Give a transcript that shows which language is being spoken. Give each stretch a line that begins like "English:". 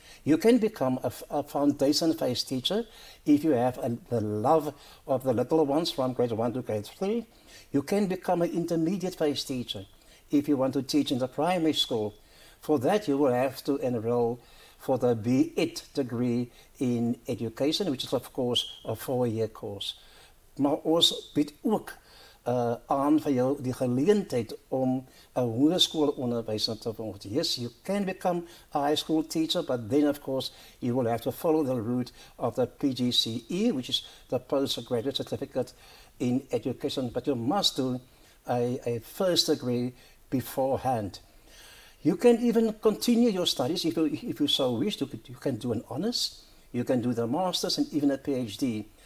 English: You can become a foundation phase teacher if you have the love of the little ones from grade 1 to grade 3. You can become an intermediate phase teacher if you want to teach in the primary school. For that, you will have to enroll for the BEd degree in education, which is of course a 4-year course.
Afrikaans: Maar ons bied ook aan vir jou die geleentheid om 'n hoërskoolonderwyser te word.
English: Yes, you can become a high school teacher, but then of course you will have to follow the route of the PGCE, which is the postgraduate certificate in education, but you must do a first degree beforehand. You can even continue your studies if you so wish. You can do an honours, you can do the master's and even a PhD.